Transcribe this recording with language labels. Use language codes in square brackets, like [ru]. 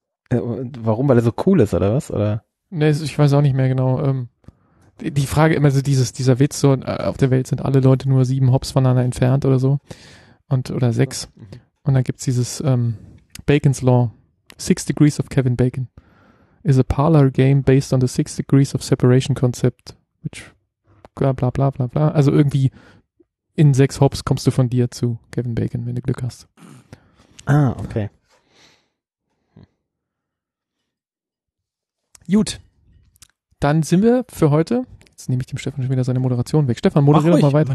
[de] Warum? Weil er so cool ist, oder was? Oder? Nee, ich weiß auch nicht mehr genau. Die Frage immer so dieser Witz, so auf der Welt sind alle Leute nur 7 Hops voneinander entfernt oder so. Oder 6. Und dann gibt's dieses Bacon's Law. [en] 6 Degrees of Kevin Bacon. Is a parlor game based on the 6 Degrees of separation concept. Which bla bla bla bla bla. [de] Also irgendwie in 6 Hops kommst du von dir zu Kevin Bacon, wenn du Glück hast. Ah, okay. Gut. Dann sind wir für heute. Jetzt nehme ich dem Stefan schon wieder seine Moderation weg. Stefan, moderiere doch mal weiter.